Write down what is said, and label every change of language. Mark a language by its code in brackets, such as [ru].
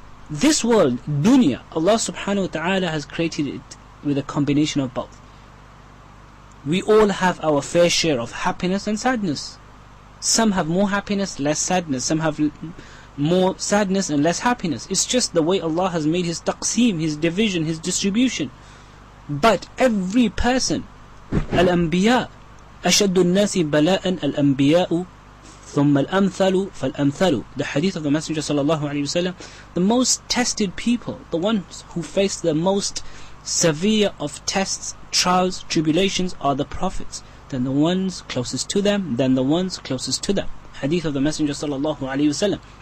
[en] This world, dunya, Allah subhanahu wa ta'ala has created it with a combination of both. We all have our fair share of happiness and sadness. Some have more happiness, less sadness. Some have more sadness and less happiness. It's just the way Allah has made his taqseem, his division, his distribution. But every person, [ar] al-anbiya, أشد الناس بلاء الأنبياء ثم الأمثل فالأمثل. [en] The hadith of the Messenger sallallahu alaihi wasallam, the most tested people, the ones who face the most severe of tests, trials, tribulations, are the prophets. Then the ones closest to them, then the ones closest to them. Hadith of the Messenger sallallahu alaihi wasallam.